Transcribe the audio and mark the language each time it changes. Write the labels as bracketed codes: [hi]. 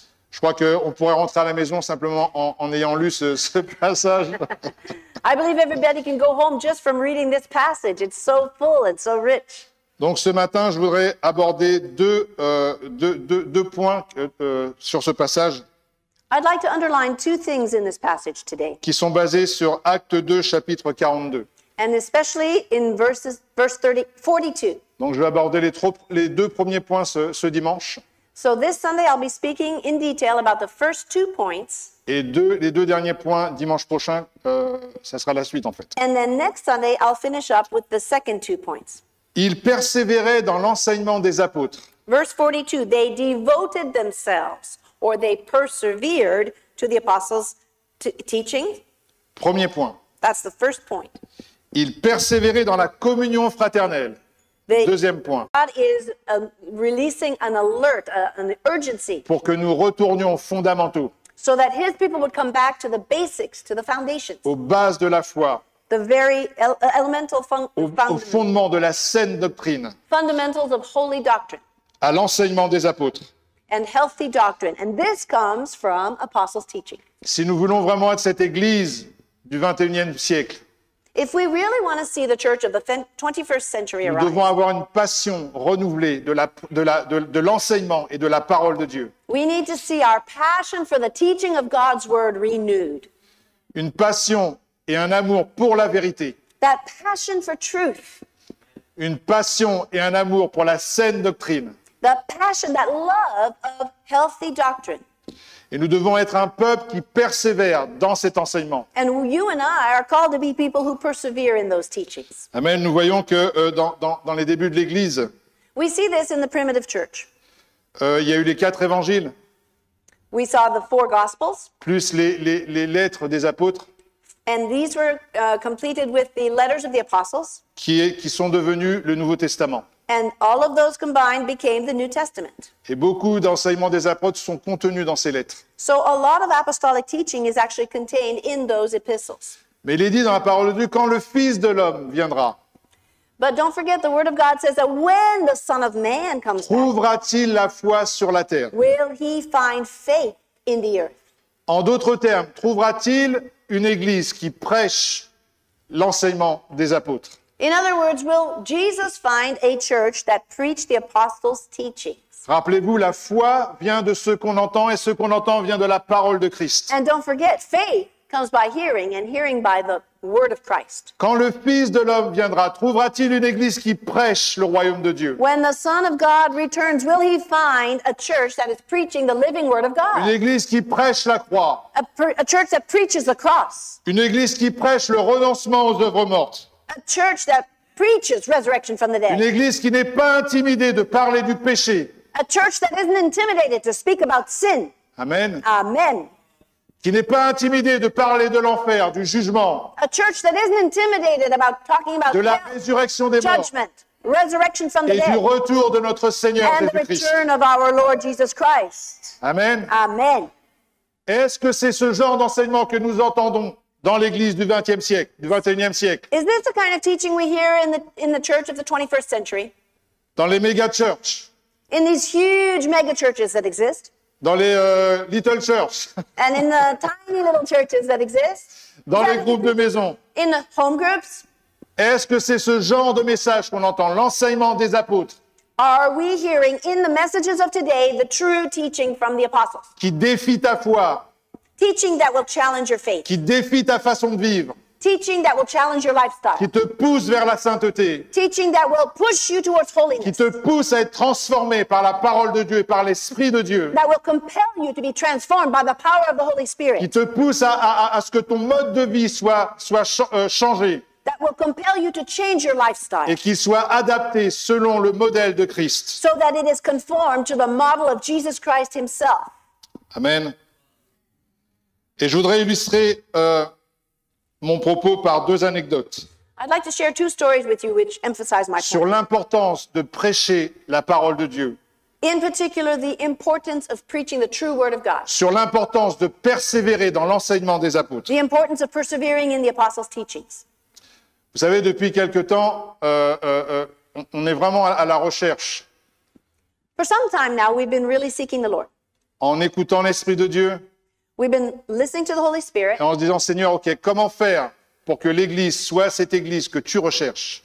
[fr] Je crois qu'on pourrait rentrer à la maison simplement en ayant lu ce passage. [en] I believe everybody can go home just from reading this passage. It's so full and so rich. [fr] Donc ce matin, je voudrais aborder deux points sur ce passage. [en] I'd like to underline two things in this passage today. [fr] Qui sont basés sur Actes 2, chapitre 42. [en] And especially in verse 42. [fr] Donc je vais aborder les deux premiers points ce dimanche. [en] So this Sunday I'll be speaking in detail about the first two points. [fr] Et les deux derniers points dimanche prochain, ça sera la suite en fait. [en] And then next Sunday I'll finish up with the second two points. [fr] Ils persévéraient dans l'enseignement des apôtres. [en] Verse 42, they devoted themselves or they persevered to the apostles' teaching. [fr] Premier point. [en] That's the first point. [fr] Ils persévéraient dans la communion fraternelle. Deuxième point. [en] God is releasing an alert, an urgency. [fr] Pour que nous retournions aux fondamentaux. [en] So that his people would come back to the basics, to the foundations. [fr] Aux bases de la foi. [en] The very elemental foundations. [fr] Au fondement de la saine doctrine. [en] Fundamentals of holy doctrine. [fr] À l'enseignement des apôtres. [en] And healthy doctrine. And this comes from apostles' teaching. [fr] Si nous voulons vraiment être cette église du 21e siècle, [en] if we really want to see the church of the 21st century arise, [fr] nous devons avoir une passion renouvelée de l'enseignement et de la parole de Dieu. [en] We need to see our passion for the teaching of God's word renewed. [fr] Une passion et un amour pour la vérité. [en] That passion for truth. [fr] Une passion et un amour pour la saine doctrine. [en] The passion, that love of healthy doctrine. [fr] Et nous devons être un peuple qui persévère dans cet enseignement. [en] And you and I are called to be people who persevere in those teachings. Amen. [fr] Nous voyons que dans les débuts de l'Église, [en] we see this in the primitive church. [fr] Il y a eu les quatre évangiles. [en] We saw the four gospels. [fr] Plus les lettres des apôtres. [en] And these were completed with the letters of the apostles. [fr] Qui sont devenus le Nouveau Testament. [en] And all of those combined became the New Testament. [fr] Et beaucoup d'enseignements des apôtres sont contenus dans ces lettres. [en] So a lot of apostolic teaching is actually contained in those epistles. [fr] Mais il est dit dans la parole de Dieu quand le Fils de l'homme viendra. [en] But don't forget the word of God says that when the Son of Man comes back. [fr] Trouvera-t-il la foi sur la terre? [en] Will he find faith in the earth? [fr] En d'autres termes, trouvera-t-il une église qui prêche l'enseignement des apôtres? [en] In other words, will Jesus find a church that preached the apostles' teachings? [fr] Rappelez-vous, la foi vient de ce qu'on entend et ce qu'on entend vient de la parole de Christ. [en] And don't forget, faith comes by hearing and hearing by the word of Christ. [fr] Quand le Fils de l'homme viendra, trouvera-t-il une église qui prêche le royaume de Dieu? [en] When the Son of God returns, will he find a church that is preaching the living word of God? [fr] Une église qui prêche la croix. [en] A church that preaches the cross. [fr] Une église qui prêche le renoncement aux œuvres mortes. [en] A church that preaches resurrection from the dead. [fr] Une église qui n'est pas intimidée de parler du péché. [en] A church that isn't intimidated to speak about sin. Amen. Amen. [fr] Qui n'est pas intimidée de parler de l'enfer, du jugement. [en] A church that isn't intimidated about talking about [fr] de la résurrection des morts. [en] Judgment. Resurrection from the dead. [fr] Et du retour de notre Seigneur Jésus-Christ. [en] And the return of our Lord Jesus Christ. Amen. Amen. [fr] Est-ce que c'est ce genre d'enseignement que nous entendons dans l'église du 20e siècle, du 21e siècle? [en] Is this the kind of teaching we hear in the church of the 21st century? [fr] Dans les méga churches. [en] In these huge mega churches that exist. [fr] Dans les [en] little churches. And in the tiny little churches that exist. [fr] Dans les groupes de maison. [en] In the home groups. [fr] Est-ce que c'est ce genre de message qu'on entend, l'enseignement des apôtres? [en] Are we hearing in the messages of today the true teaching from the apostles? [fr] Qui défie ta foi. [en] Teaching that will challenge your faith. [fr] Qui défie ta façon de vivre. [en] Teaching that will challenge your lifestyle. [fr] Qui te pousse vers la sainteté. [en] Teaching that will push you towards holiness. [fr] Qui te pousse à être transformé par la parole de Dieu et par l'Esprit de Dieu. [en] That will compel you to be transformed by the power of the Holy Spirit. [fr] Qui te pousse à ce que ton mode de vie soit changé. [en] That will compel you to change your lifestyle. [fr] Et qu'il soit adapté selon le modèle de Christ. [en] So that it is conformed to the model of Jesus Christ himself. Amen. [fr] Et je voudrais illustrer mon propos par deux anecdotes. [en] I'd like to share two stories with you which emphasize my point. [fr] Sur l'importance de prêcher la parole de Dieu. [en] In particular, the importance of preaching the true word of God. [fr] Sur l'importance de persévérer dans l'enseignement des apôtres. [en] The importance of persevering in the apostles' teachings. [fr] Vous savez, depuis quelque temps, on est vraiment à la recherche. [en] For some time now, we've been really seeking the Lord. [fr] En écoutant l'Esprit de Dieu. [en] We've been listening to the Holy Spirit. [fr] En se disant, Seigneur, OK, comment faire pour que l'église soit cette église que tu recherches?